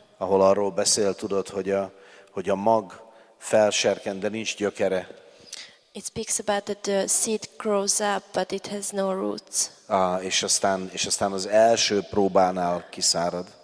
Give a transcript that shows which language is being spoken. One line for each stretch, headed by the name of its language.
Hungarian: Ahol arról beszél, tudod, hogy a mag felserken, de nincs gyökere.
English: It speaks about that the seed grows up, but it has no roots.
Hungarian: És aztán az első próbánál kiszárad.